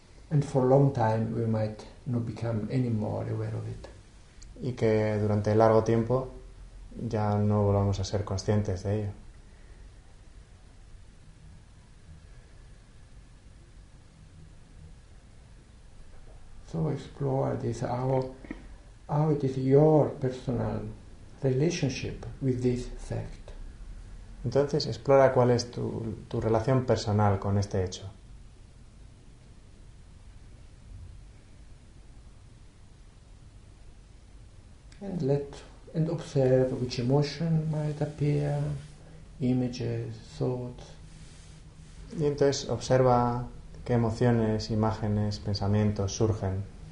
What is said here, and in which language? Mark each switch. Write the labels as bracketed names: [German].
[English] And for a long time we might not become any more aware of it. [Spanish] Y que durante largo tiempo ya no volvamos a ser conscientes de ello. [English] So explore this how it is your personal relationship with this fact. [Spanish] Entonces, explora cuál es tu relación personal con este hecho. [English] And observe which emotion might appear, images, thoughts. [Spanish] Y entonces observa qué emociones, imágenes, pensamientos surgen.